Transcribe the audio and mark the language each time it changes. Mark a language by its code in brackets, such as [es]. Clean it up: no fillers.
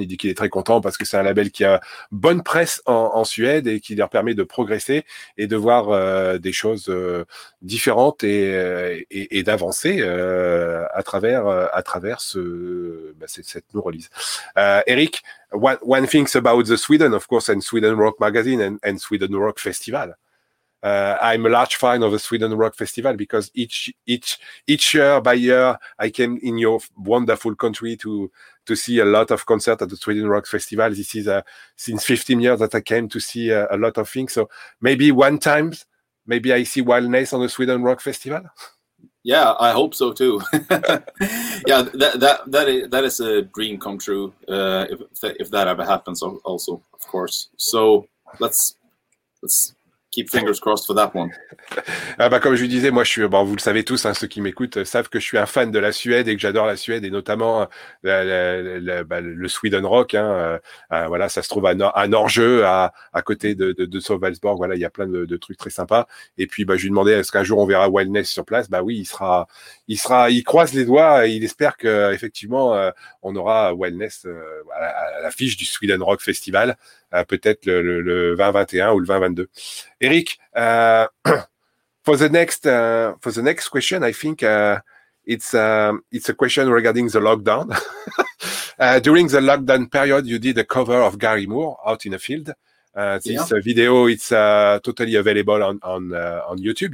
[fr] Il dit qu'il est très content parce que c'est un label qui a bonne presse en Suède et qui leur permet de progresser et de voir des choses différentes et d'avancer à travers cette [en] new release. Eric, one thing about the Sweden, of course, and Sweden Rock Magazine and Sweden Rock Festival. I'm a large fan of the Sweden Rock Festival because each year by year I came in your wonderful country to see a lot of concerts at the Sweden Rock Festival. This is since 15 years that I came to see a lot of things. So maybe one time, maybe I see Wildness on the Sweden Rock Festival. Yeah, I hope so too. Yeah, that is a dream come true if that ever happens. Also, of course. So let's keep fingers crossed for that one. [fr] Ah bah, comme je vous disais, moi je suis, bon, vous le savez tous, hein, ceux qui m'écoutent savent que je suis un fan de la Suède et que j'adore la Suède et notamment le Sweden Rock. Hein, voilà, ça se trouve à Norgeux, à côté de Sölvesborg. Voilà, il y a plein de trucs très sympas. Et puis bah, je lui demandais, est-ce qu'un jour on verra Wildness sur place? Bah oui, il croise les doigts et il espère qu'effectivement on aura Wildness à l'affiche du Sweden Rock Festival. Peut-être le 2021 ou le 2022. [en] Eric, for the next question, I think it's a question regarding the lockdown. During the lockdown period, you did a cover of Gary Moore, Out in a Field. Video, it's totally available on YouTube.